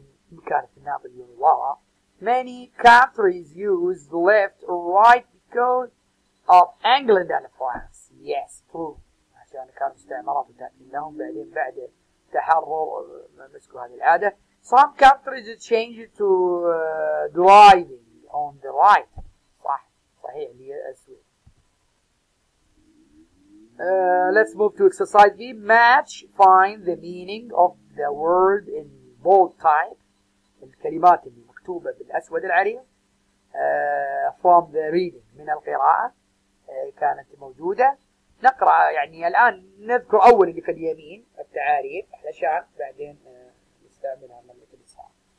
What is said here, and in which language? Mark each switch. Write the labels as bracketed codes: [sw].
[en] because it's not a new law, many countries use left or right because of England and France. Yes, true. [ar] عشان كانوا مستعمرات وتأمين لهم بعدين بعد تحرر مسكوا هذه العادة. [en] Some countries change to driving on the right. [ar] صح صحيح اللي أسوأ. [en] Let's move to exercise B. Match, find the meaning of the word in bold type. [ar] الكلمات اللي مكتوبة بالأسود العريض. [en] From the reading [ar] من القراءة كانت موجودة. نقرأ يعني الآن نذكر أول اللي في اليمين التعاريف علشان بعدين نستعملها من الاليسار.